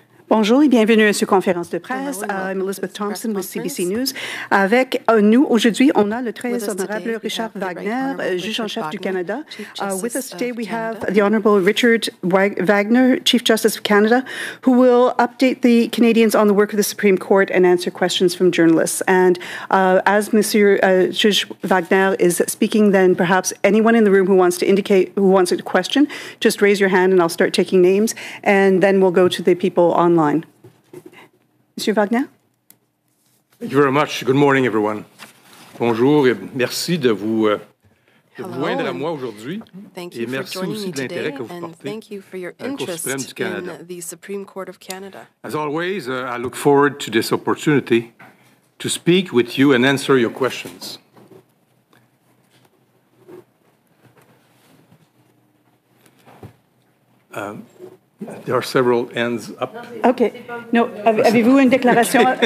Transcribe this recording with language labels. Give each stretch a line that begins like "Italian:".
French: Bonjour et bienvenue à cette conférence de presse.
English: I'm Elizabeth Thompson with CBC News.
French: Avec nous aujourd'hui, on a le très honorable Richard Wagner, juge en chef du Canada.
English: With us today, we have the honorable Richard Wagner, Chief Justice of Canada, who will update the Canadians on the work of the Supreme Court and answer questions from journalists. And as Monsieur Judge Wagner is speaking, then perhaps anyone in the room who wants to indicate, who wants a question, just raise your hand and I'll start taking names, and then we'll go to the people online.
French: Monsieur Wagner?
English: Thank you very much. Good morning, everyone.
French: Bonjour et merci de vous joindre à moi aujourd'hui. Et merci aussi de l'intérêt que vous portez à la Cour suprême du Canada.
English: As always, I look forward to this opportunity to speak with you and answer your questions. There are several hands up.
French: Okay. No. Avez-vous une déclaration?